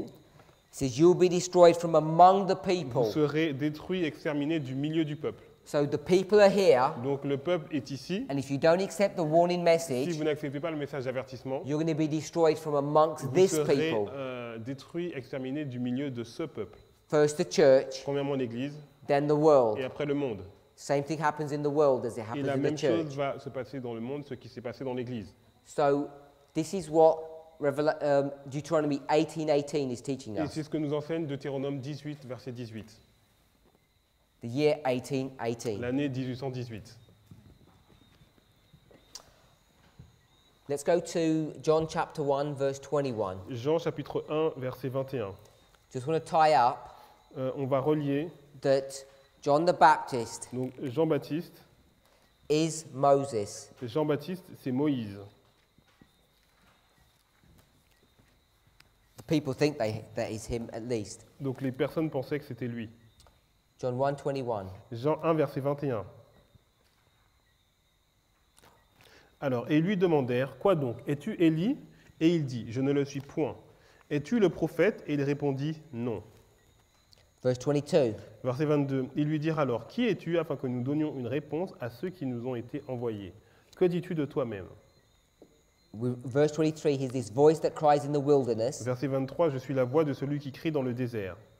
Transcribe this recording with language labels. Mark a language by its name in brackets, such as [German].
[English] It says you'll be destroyed from among the people. [French] Vous serez détruits, exterminés du milieu du peuple. [English] So the people are here. [French] Donc le peuple est ici. [English] And if you don't accept the warning message, [French] si vous n'acceptez pas le message d'avertissement, [English] you're going to be destroyed from amongst this people. [French] Vous serez détruits, exterminés du milieu de ce peuple. [English] First the church. [French] Premièrement l'église. [English] Then the world. [French] Et après le monde. [English] Same thing happens in the world as it happens in the church. [French] Et la même chose va se passer dans le monde, ce qui s'est passé dans l'église. [English] So this is what. Deuteronomy 18:18 is teaching us. [French] Et c'est ce que nous enseigne Deutéronome 18, verset 18. [English] The year 1818. [French] L'année 1818. [English] Let's go to John chapter 1, verse 21. [French] Jean chapitre 1, verset 21. [English] Just want to tie up. [French] On va relier. [English] That John the Baptist. [French] Donc Jean Baptiste. [English] Is Moses. [French] Jean Baptiste, c'est Moïse. [English] People think they, that is him at least. [French] Donc les personnes pensaient que c'était lui. [English] John 1, 21. [French] Jean 1, verset 21. Alors, et lui demandèrent, quoi donc, es-tu Élie? Et il dit, je ne le suis point. Es-tu le prophète? Et il répondit, non. [English] Verse 22. [French] Verset 22. Ils lui dirent alors, qui es-tu afin que nous donnions une réponse à ceux qui nous ont été envoyés? Que dis-tu de toi-même? [English] Verse 23, he's this voice that cries in the wilderness. [French] Verset 23, je suis la voix de celui qui crie dans le désert.